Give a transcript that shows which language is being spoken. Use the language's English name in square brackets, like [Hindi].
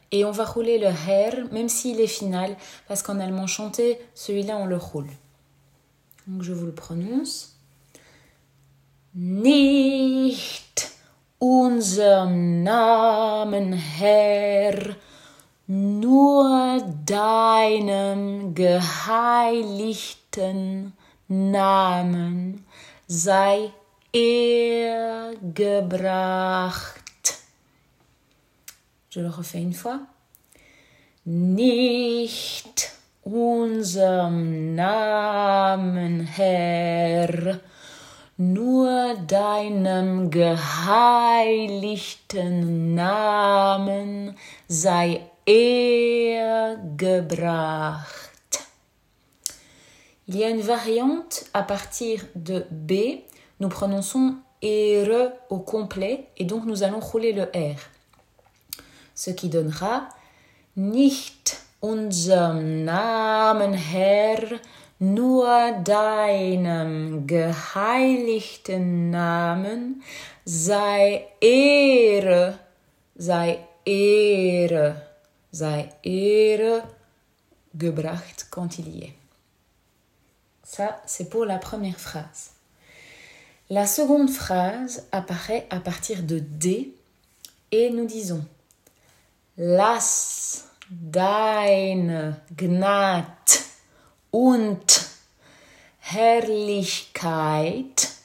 [French] Et on va rouler le Herr, même s'il est final, parce qu'en allemand chanté, celui-là, on le roule. Donc je vous le prononce. [German] Nicht unserem Namen, Herr, nur deinem geheiligten Namen sei ehrgebracht. [French] Je le refais une fois. [German] Nicht unserem Namen, Herr, nur deinem geheiligten Namen sei ehrgebracht. [French] Il y a une variante à partir de B. Nous prononçons R au complet et donc nous allons rouler le R. Ce qui donnera [German] Nicht unserem Namen, Herr, nur deinem geheiligten Namen sei Ehre gebracht, [French] quand il y est. Ça, c'est pour la première phrase. La seconde phrase apparaît à partir de D et nous disons [German] Lass deine Gnade und Herrlichkeit.